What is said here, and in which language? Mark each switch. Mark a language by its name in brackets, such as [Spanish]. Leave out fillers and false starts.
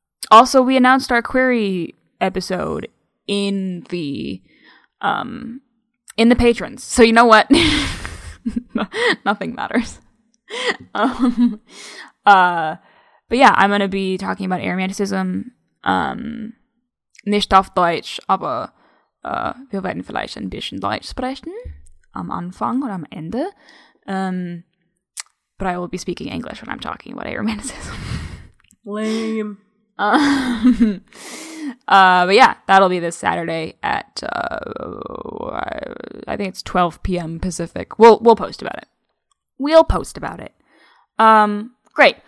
[English] Also, we announced our query episode in the patrons. So you know what? Nothing matters. But yeah, I'm gonna be talking about aromanticism. [German] Nicht auf Deutsch, aber wir werden vielleicht ein bisschen Deutsch sprechen am Anfang oder am Ende. [English] But I will be speaking English when I'm talking about aromanticism. Lame. But yeah, that'll be this Saturday at I think it's 12 p.m. Pacific. We'll post about it. We'll post about it. Great.